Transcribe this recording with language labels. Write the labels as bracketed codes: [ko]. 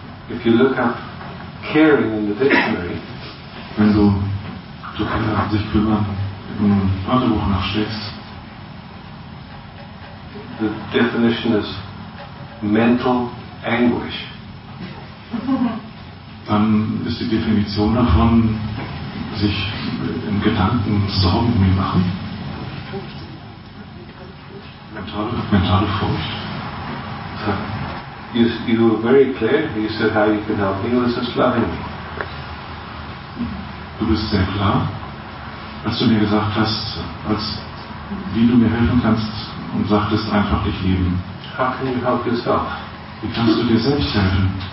[en] If you look up caring in the dictionary, [de] wenn du zu kümmern, sich kümmern im Wörterbuch nachschlägst, [en] the definition is mental anguish. [de] Dann ist die Definition davon, sich in Gedanken Sorgen um ihn machen. Mentale Furcht. [en] You were very clear. You said how you can help me was just loving me. [de] Du bist sehr klar, als du mir gesagt hast, als wie du mir helfen kannst und sagtest einfach dich lieben. [en] How can you help yourself? [de] Wie kannst du dir selbst helfen?